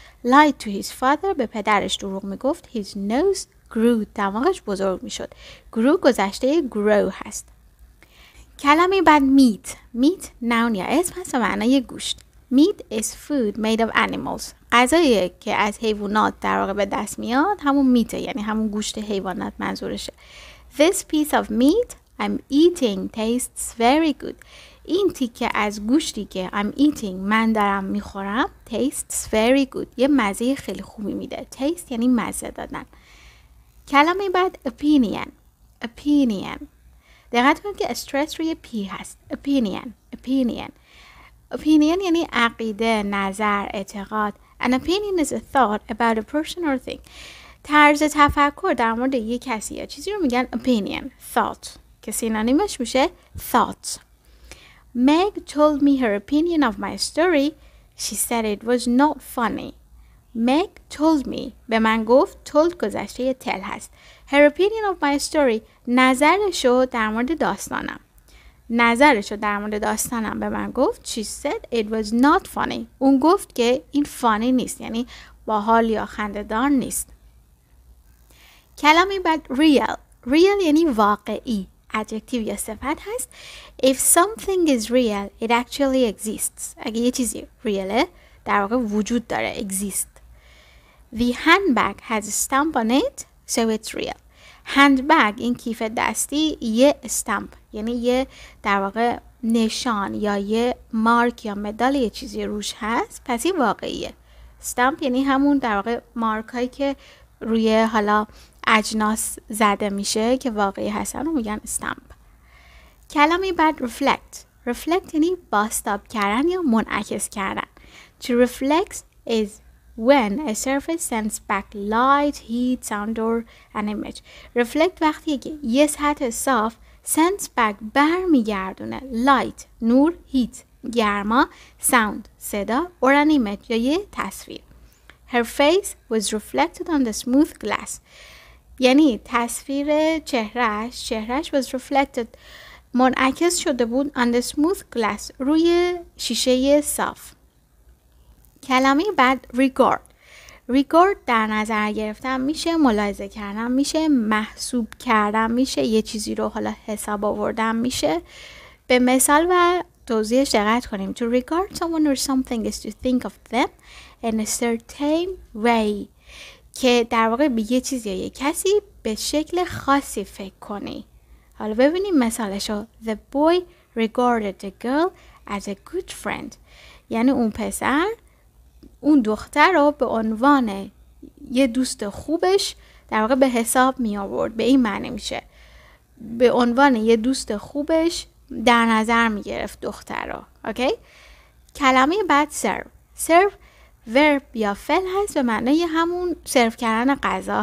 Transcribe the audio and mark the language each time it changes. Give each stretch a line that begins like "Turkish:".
English: Lied to his father،
Persian: به پدرش دروغ میگفت،
English: his nose grew،
Persian: دماغش بزرگ میشد. Grew گذشته grow هست. کلمه بعد meat. Meat noun یا اسم هست و معنی گوشت.
English: Meat is food made of animals.
Persian: غذایی که از حیوانات در واقع به دست میاد همون میته، یعنی همون گوشت حیوانات منظورشه.
English: This piece of meat I'm eating tastes very good.
Persian: این تیکه از گوشتی که
English: I'm eating
Persian: من دارم میخورم
English: tastes very good.
Persian: یه مزه خیلی خوبی میده. Taste یعنی مزه دادن. کلمه بعد opinion. Opinion. دقت کنید که استرس روی پی هست. Opinion. Opinion. Opinion یعنی عقیده، نظر، اعتقاد.
English: An opinion is a thought about a person or thing.
Persian: طرز تفکر در مورد یک کسی یا چیزی رو میگن opinion.
English: Thought.
Persian: که سینانیمش میشه thought.
English: Meg told me her opinion of my story. She said it was not funny. Meg told me.
Persian: به من گفت. Told گذشته یه tell هست.
English: Her opinion of my story.
Persian: نظرشو در مورد داستانم. نظرشو در مورد داستانم به من گفت.
English: She said it was not funny.
Persian: اون گفت که این فانی نیست، یعنی باحال یا خنده‌دار نیست. کلمه بعد real. Real یعنی واقعی، adjective یا صفت هست.
English: If something is real, it actually exists.
Persian: اگه یه چیزی ریاله، در واقع وجود داره، exist.
English: The handbag has a stamp on it, so it's real.
Persian: Handbag این کیف دستی یه استامپ، یعنی یه در واقع نشان یا یه مارک یا مدال یه چیزی روش هست، پس این واقعیه. استامپ یعنی همون در واقع مارک هایی که روی حالا اجناس زده میشه که واقعی هستن و میگن استامپ. کلمه بعد reflect. Reflect یعنی بازتاب کردن یا منعکس کردن.
English: To reflect is when a surface sends back light, heat, sound or an image.
Persian: Reflect وقتیه که یه سطح صاف
English: sends back
Persian: برمیگردونه light, نور, heat, گرما, sound, صدا
English: or an image
Persian: یا یه تصویر.
English: Her face was reflected on the smooth glass.
Persian: یعنی تصویر چهرهش
English: was reflected
Persian: منعکس شده بود
English: on the smooth glass
Persian: روی شیشه صاف. کلمه بعد regard. Regard در نظر گرفتم میشه ملاحظه کردم، میشه محسوب کردم، میشه یه چیزی رو حالا حساب آوردم، میشه به مثال و توضیحش دقت کنیم.
English: To regard someone or something is to think of them in a certain way.
Persian: که در واقع به یه چیزی یا یه کسی به شکل خاصی فکر کنی. حالا ببینیم مثالشو.
English: The boy regarded the girl as a good friend.
Persian: یعنی اون پسر اون دختر رو به عنوان یه دوست خوبش در واقع به حساب می آورد. به این معنی میشه. به عنوان یه دوست خوبش در نظر می گرفت دختر رو. اوکی؟ کلمه بعد serve. Serve verb یا فعل هست به معنی همون سرو کردن غذا.